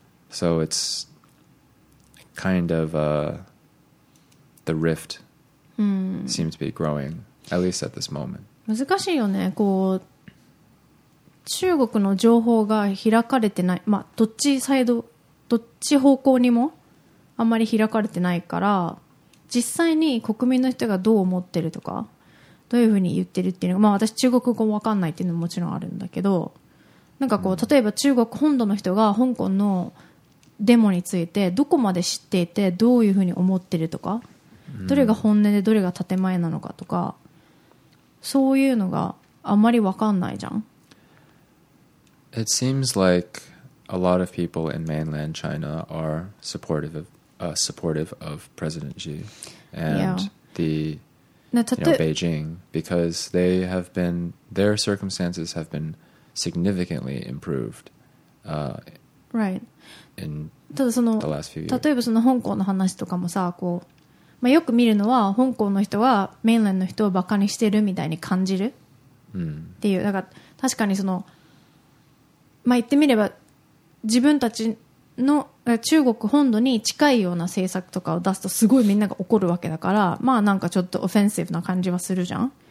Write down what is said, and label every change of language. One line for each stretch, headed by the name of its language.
English: So it's kind of the rift seems to be growing, at least at this moment.
Japanese: 難しいよね。こう中国の情報が開かれてない。まあどっちサイド。どっち方向にもあんまり開かれてないから、実際に国民の人がどう思ってるとかどういうふうに言ってるっていうのが、まあ私中国語わかんないっていうのももちろんあるんだけど、なんかこう例えば中国本土の人が香港のデモについてどこまで知っていてどういうふうに思ってるとか、どれが本音でどれが建前なのかとか、そういうのがあんまりわかんないじゃん。
English: It seems likeA lot of people in mainland China are supportive of President Xi and Beijing, because they have been, their circumstances have been significantly improved in the last few years.
Japanese: 例えばその香港の話とかもさ、こう、まあ、よく見るのは香港の人はメインランドの人をバカにしてるみたいに感じるっていう、だから確かにその、まあ言ってみれば自分たちの中国本土に近いような政策とかを出すとすごいみんなが怒るわけだから、まあなんかちょっとオフェンシブな感じはするじゃん。